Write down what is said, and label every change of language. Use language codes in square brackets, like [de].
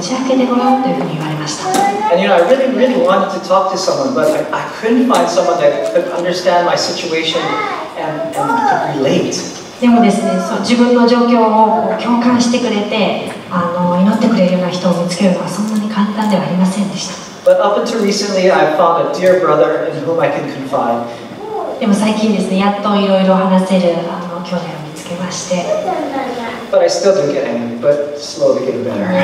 [ja] なんでですね、この問題について祈り始めた時に神様から誰かにその悩みを打ち明けてごらんというふうに言われました。 [en] And you know, I really, really wanted to talk to someone, but I couldn't find someone that could understand my situation and could relate. [ja] でもですね、自分の状況を共感してくれて祈ってくれるような人を見つけるのはそんなに簡単ではありませんでした。 [en] But up until recently, I found a dear brother in whom I can confide. [ja] でも最近ですね、やっといろいろ話せる兄弟を見つけまして。 [en] But I still don't get angry, but slowly getting better.